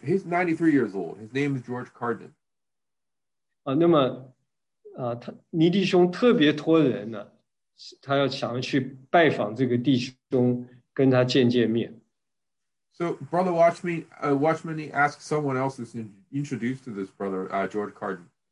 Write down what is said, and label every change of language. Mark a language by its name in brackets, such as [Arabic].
[English] He's 93 years old. His name is George Cardin. [Chinese] 那么，尼弟兄特别托人呢，他要想去拜访这个弟兄，跟他见见面。 [English] So Brother Watchman, he asked someone else to introduce to this brother, George Cardin.